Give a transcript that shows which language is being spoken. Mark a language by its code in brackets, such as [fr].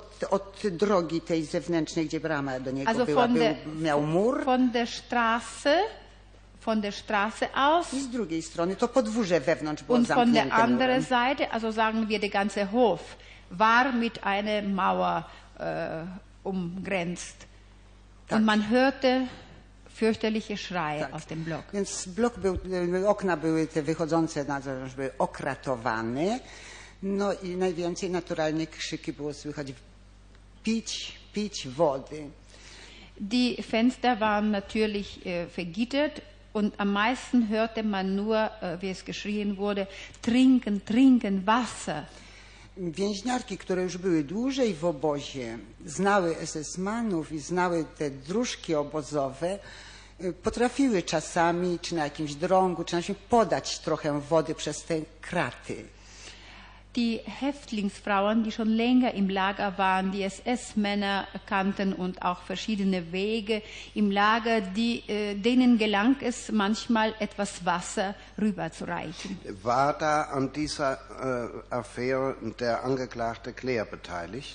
[pl] Od drogi tej zewnętrznej, gdzie brama do niego [de] also [pl] była. Miał mur. [de] Von der Straße aus [pl] I z drugiej strony, to podwórze wewnątrz było [de] und von der anderen Seite, also sagen wir, der ganze Hof war mit einer Mauer umgrenzt. [pl] Tak. [de] Und man hörte fürchterliche Schreie [pl] tak. [de] aus dem Block. [pl] Więc blok był, okna były te wychodzące na zewnątrz, były okratowane. No i najwięcej naturalne krzyki było słychać. Pić, pić wody. [de] Die Fenster waren natürlich vergittert und am meisten hörte man nur, wie es geschrien wurde, trinken, trinken, Wasser. [pl] Więźniarki, które już były dłużej w obozie, znały SS-manów i znały te dróżki obozowe, potrafiły czasami, czy na jakimś drągu, czy na czymś podać trochę wody przez te kraty. [de] Die Häftlingsfrauen, die schon länger im Lager waren, die SS-Männer kannten und auch verschiedene Wege im Lager, die, denen gelang es manchmal etwas Wasser rüberzureichen. War da an dieser Affäre der Angeklagte Claire beteiligt?